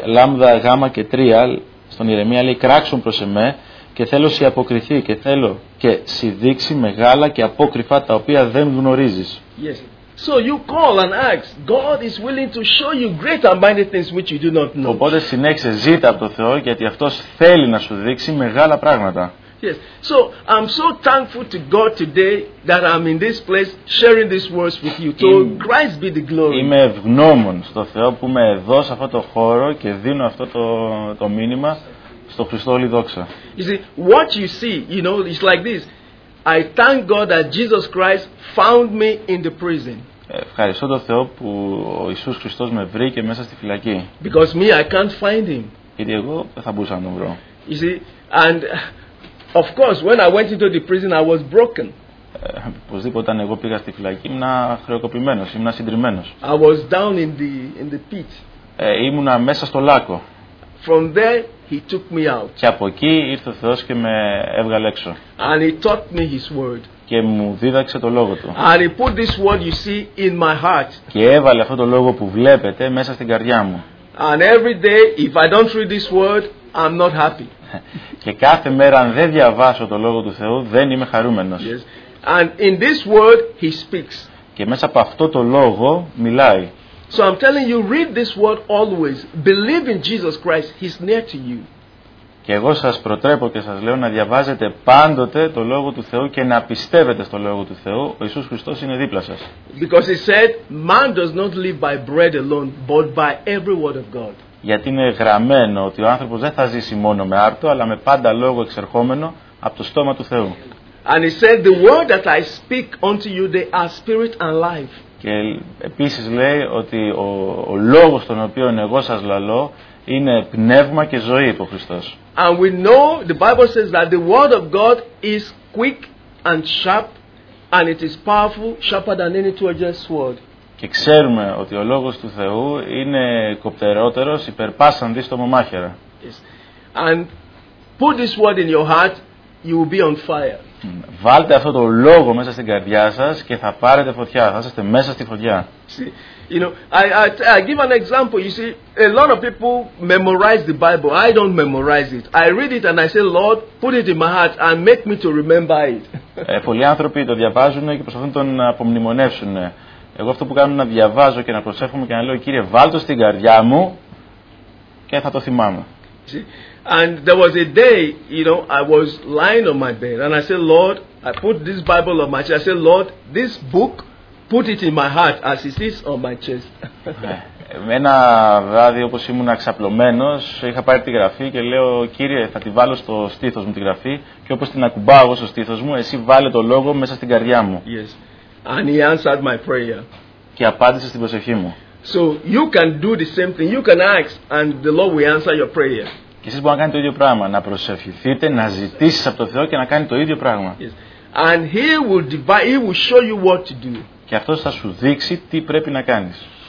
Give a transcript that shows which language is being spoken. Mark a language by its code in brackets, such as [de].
[el] Λάμδα, γάμα και τρία στον Ιερεμία λέει κράξουν προς εμέ και θέλω σε αποκριθεί και θέλω και σε δείξει μεγάλα και απόκρυφα τα οποία δεν γνωρίζεις. [en] Yes. So you call and ask, God is willing to show you great and mighty things which you do not know. [el] Οπότε συνέχισε, ζήτα από το Θεό γιατί αυτός θέλει να σου δείξει μεγάλα πράγματα. [en] Yes. So I'm so thankful to God today that I'm in this place sharing these words with you. So Christ be the glory. [el] Είμαι ευγνώμων στο Θεό που είμαι εδώ σε αυτό το χώρο και δίνω αυτό το μήνυμα στο Χριστό όλη δόξα. [en] You see, what you see, you know, it's like this. I thank God that Jesus Christ found me in the prison. [el] Ευχαριστώ τον Θεό που ο Ιησούς Χριστός με βρήκε μέσα στη φυλακή. [en] Because me, I can't find him. [el] Γιατί εγώ δεν θα μπορούσα να τον βρω. [en] You see, and of course, when I went into the prison, I was broken. [el] Οπωσδήποτε όταν εγώ πήγα στη φυλακή, ήμουν χρεοκοπημένος, ήμουν συντριμμένος. [en] I was down in the pit. [el] Ήμουν μέσα στο λάκκο. [en] From there, he took me out. [el] Και από εκεί ήρθε ο Θεός και με έβγαλε έξω. [en] And he taught me his word. [el] Και μου δίδαξε το λόγο του. [en] And he put this word you see in my heart. [el] Και έβαλε αυτό το λόγο που βλέπετε μέσα στην καρδιά μου. [en] And every day, if I don't read this word, I'm not happy. [el] Και κάθε μέρα αν δεν διαβάσω το λόγο του Θεού, δεν είμαι χαρούμενος. [en] Yes. And in this word, he speaks. [el] Και μέσα από αυτό το λόγο μιλάει. [en] So I'm telling you, read this word always. Believe in Jesus Christ. He's near to you. [el] Και εγώ σας προτρέπω και σας λέω να διαβάζετε πάντοτε το λόγο του Θεού και να πιστεύετε στο λόγο του Θεού. Ο Ιησούς Χριστός είναι δίπλα σας. [en] Because he said, man does not live by bread alone, but by every word of God. [el] Γιατί είναι γραμμένο ότι ο άνθρωπος δεν θα ζήσει μόνο με άρτο, αλλά με πάντα λόγο εξερχόμενο από το στόμα του Θεού. [en] And he said, the word that I speak unto you, they are spirit and life. [el] Και επίσης λέει ότι ο λόγος τον οποίο εγώ σας λαλώ είναι πνεύμα και ζωή, είπε ο Χριστός. [en] And we know, the Bible says that the word of God is quick and sharp, and it is powerful, sharper than any two-edged sword. [el] Και ξέρουμε ότι ο λόγος του Θεού είναι κοπτερότερος, υπερπάσαν δίστομο μάχαιρα. [en] Yes. And put this word in your heart, you will be on fire. [el] Βάλτε αυτό το λόγο μέσα στην καρδιά σας και θα πάρετε φωτιά. Θα είστε μέσα στη φωτιά. [en] You know, I give an example. You see, a lot of people memorize the Bible. I don't memorize it. I read it and I say, Lord, put it in my heart and make me to remember it. [el] Πολλοί άνθρωποι το διαβάζουν και προσπαθούν τον να απομνημονεύσουν. Εγώ αυτό που κάνω είναι να διαβάζω και να προσεύχομαι και να λέω, Κύριε, βάλτε στην καρδιά μου και θα το θυμάμαι. [en] And there was a day, you know, I was lying on my bed and I said, Lord, I put this Bible on my chest. I said, Lord, this book, put it in my heart as it is on my chest. [el] Ένα βράδυ όπως ήμουν ξαπλωμένος, είχα πάρει τη γραφή και λέω, Κύριε, θα τη βάλω στο στήθος μου τη γραφή και όπως την ακουμπάω εγώ στο στήθος μου, εσύ βάλε το λόγο μέσα στην καρδιά μου. [en] Yes. And he answered my prayer. [el] Και απάντησε στην προσευχή μου. [en] So you can do the same thing. You can ask and the Lord will answer your prayer. [el] Και εσείς μπορείτε να κάνετε το ίδιο πράγμα, να προσευχηθείτε, να ζητήσεις από το Θεό και να κάνει το ίδιο πράγμα. [en] Yes. And he will divide, he will show you what to do. [el] Και αυτός θα σου δείξει τι πρέπει να κάνεις.